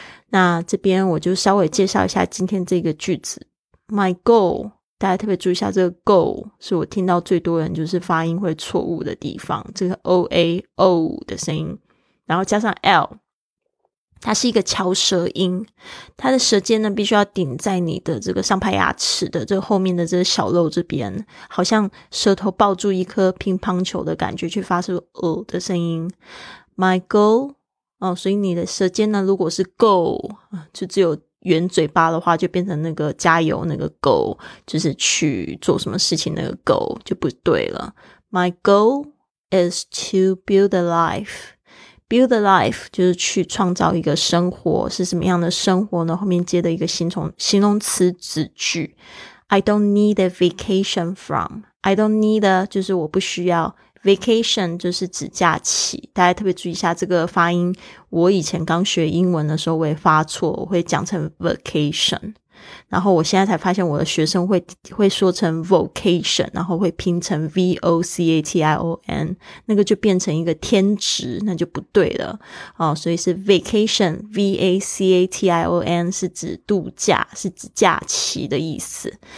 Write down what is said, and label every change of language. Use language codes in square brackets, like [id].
[zh] 那这边我就稍微介绍一下今天这个句子， My goal， 大家特别注意一下这个 goal， 是我听到最多人就是发音会错误的地方，这个 OAO 的声音，然后加上 L，它是一个翘舌音，它的舌尖呢必须要顶在你的这个上排牙齿的这个后面的这个小肉这边，好像舌头抱住一颗乒乓球的感觉去发出哦的声音。 My goal 哦，所以你的舌尖呢如果是 go 就只有圆嘴巴的话，就变成那个加油那个 go， 就是去做什么事情那个 go 就不对了。 [en] My goal is to build a lifeBuild a life [zh] 就是去创造一个生活，是什么样的生活呢？后面接的一个形容词子句， [en] I don't need a vacation from， [zh] I don't need a 就是我不需要， vacation 就是指假期。大家特别注意一下这个发音，我以前刚学英文的时候我也发错，我会讲成 vacation， 然后我现在才发现我的学生会说成 vocation， 然后会拼成 V-O-C-A-T-I-O-N， 那个就变成一个天职，那就不对了，所以是 vacation， V-A-C-A-T-I-O-N 是指度假，是指假期的意思。